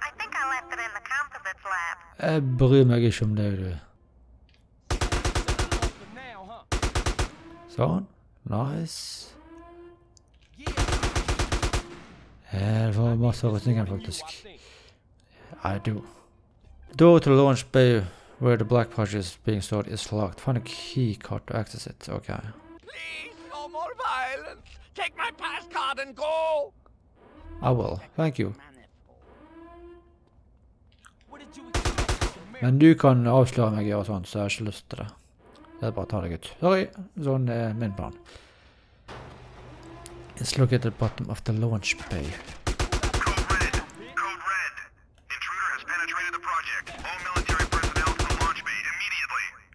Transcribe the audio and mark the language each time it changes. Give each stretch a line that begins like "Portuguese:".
English: I think I left it in the composites lab.
Norwegian: Jeg bryr meg ikke om det, du. Sånn. Nice. Det var masse av rustningen, faktisk.
English: I do. Door to launch bay where the black pouch is being stored is locked. Find a key card to access it. Okay. Please, no more violence. Take my pass card and go. I will. Thank you.
Norwegian: Men du kan avsløre meg og sånn, så jeg har ikke lyst til det. Det er bare å ta deg ut. Sorry. Sånn er min plan.
English: It's located at the bottom of the launch bay. Code red! Intruder has penetrated the project. All military personnel to the launch bay immediately.